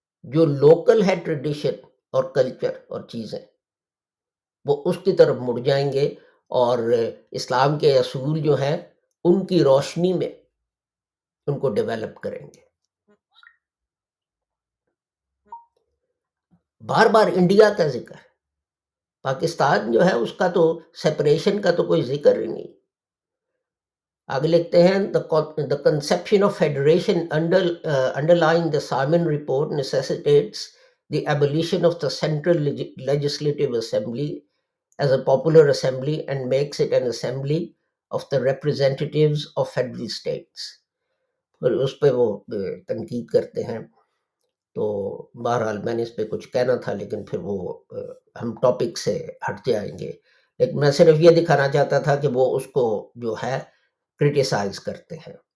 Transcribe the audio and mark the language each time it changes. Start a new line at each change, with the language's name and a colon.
Urdu: جو لوکل ہے ٹریڈیشن اور کلچر اور چیزیں, وہ اس کی طرف مڑ جائیں گے, اور اسلام کے اصول جو ہیں ان کی روشنی میں ان کو ڈیولپ کریں گے. بار بار انڈیا کا ذکر, پاکستان جو ہے اس کا تو سیپریشن کا تو کوئی ذکر ہی نہیں. آگے لکھتے ہیں,
English: The conception of federation underline the Simon report necessitates the abolition of the central legislative assembly as a popular assembly and makes it an assembly of the representatives of federal states.
Urdu: پھر اس پہ وہ تنقید کرتے ہیں. تو بہرحال میں نے اس پہ کچھ کہنا تھا, لیکن پھر وہ ہم ٹاپک سے ہٹ جائیں گے. لیکن میں صرف یہ دکھانا چاہتا تھا کہ وہ اس کو جو ہے کریٹیسائز کرتے ہیں.